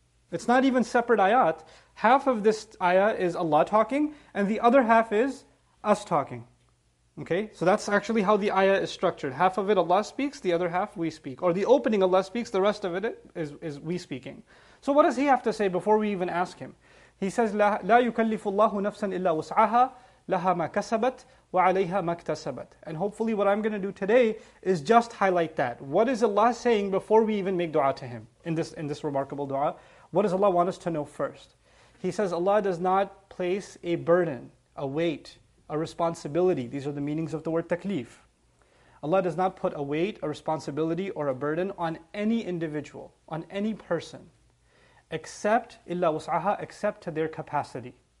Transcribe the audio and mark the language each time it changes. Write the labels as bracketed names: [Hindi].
[English] It's not even separate ayat. Half of this ayah is Allah talking, and the other half is us talking. Okay, so that's actually how the ayah is structured. Half of it Allah speaks, the other half we speak. Or the opening Allah speaks, the rest of it is we speaking. So what does he have to say before we even ask him? He says, [Arabic] لَا يُكَلِّفُ اللَّهُ نَفْسًا إِلَّا وُسْعَهَا لَهَا مَا كَسَبَتْ وَعَلَيْهَا مَا اكْتَسَبَتْ. [English] And hopefully what I'm going to do today is just highlight that. What is Allah saying before we even make dua to him in this remarkable dua? What does Allah want us to know first? He says Allah does not place a burden, a weight, a responsibility. These are the meanings of the word taklif. Allah does not put a weight, a responsibility, or a burden on any individual, on any person, except illa wus'aha, except to their capacity.